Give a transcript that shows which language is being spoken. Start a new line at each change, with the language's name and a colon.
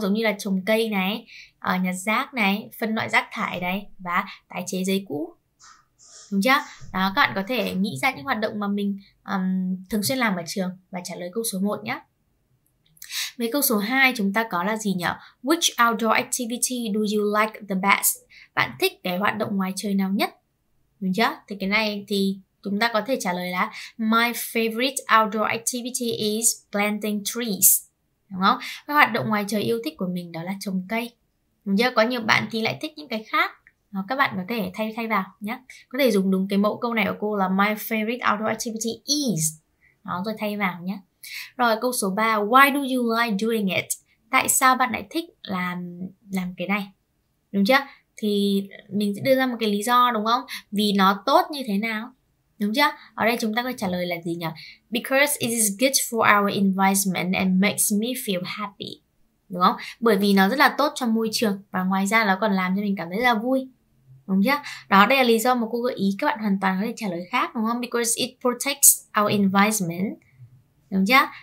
Vietnamese: Giống như là trồng cây này, ở nhặt rác này, phân loại rác thải này, và tái chế giấy cũ. Đúng chưa? Đó, các bạn có thể nghĩ ra những hoạt động mà mình thường xuyên làm ở trường và trả lời câu số 1 nhé. Với câu số 2 chúng ta có là gì nhỉ?
English: Which outdoor activity do you like the best?
Vietnamese: Bạn thích cái hoạt động ngoài trời nào nhất? Đúng chưa? Thì cái này thì chúng ta có thể trả lời là
English: my favorite outdoor activity is planting trees.
Vietnamese: Đúng không? Cái hoạt động ngoài trời yêu thích của mình đó là trồng cây. Đúng chưa? Có nhiều bạn thì lại thích những cái khác. Đó, các bạn có thể thay vào nhé. Có thể dùng đúng cái mẫu câu này của cô là
English: my favorite outdoor activity is.
Vietnamese: Đó, rồi thay vào nhé. Rồi câu số 3,
English: why do you like doing it?
Vietnamese: Tại sao bạn lại thích làm cái này? Đúng chưa? Thì mình sẽ đưa ra một cái lý do đúng không? Vì nó tốt như thế nào? Đúng chưa? Ở đây chúng ta có trả lời là gì nhỉ?
English: Because it is good for our environment and makes me feel happy.
Vietnamese: Đúng không? Bởi vì nó rất là tốt cho môi trường và ngoài ra nó còn làm cho mình cảm thấy rất là vui. Đúng chưa? Đó, đây là lý do mà cô gợi ý, các bạn hoàn toàn có thể trả lời khác đúng không?
English: Because it protects our environment.
Vietnamese: Đúng chưa?